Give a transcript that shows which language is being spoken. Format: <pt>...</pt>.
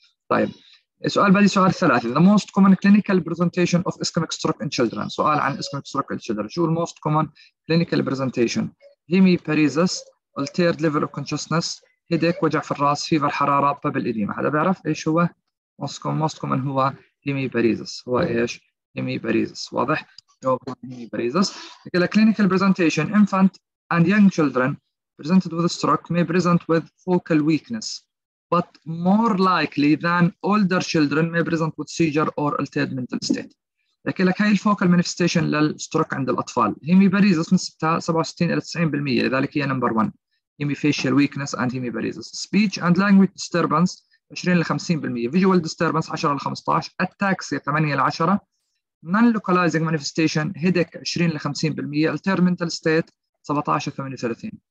<ar>طيب السؤال بعد سؤال ثلاثة:</ar> <en>the most common clinical presentation of ischemic stroke in children. سؤال عن ischemic stroke in children، شو most common clinical presentation؟ hemiparesis، altered level of consciousness، headache،</en> <ar>وجع في الرأس،</ar> <en>fever، حرارة، pupil edema.</en> <ar>هذا بيعرف إيش هو؟</ar> <en>most common</en> <ar>هو hemiparesis. هو ايش؟ hemiparesis. واضح جواب hemiparesis.</ar> <en>لكن clinical presentation: infant and young children presented with a stroke may present with focal weakness but more likely than older children may present with seizure or altered mental state.</en> <ar>لكن لك هاي الفوكال manifestation للستروك عند الاطفال hemiparesis نسبتها 67 إلى 90%، لذلك هي</ar> <en>number one. hemifacial weakness and hemiparesis. speech and language disturbance 20 إلى 50%، visual disturbance 10 إلى 15%، ataxia 8 إلى 10%، non-localizing manifestation headache 20 إلى 50%، altered mental state 17 إلى 38%.</en>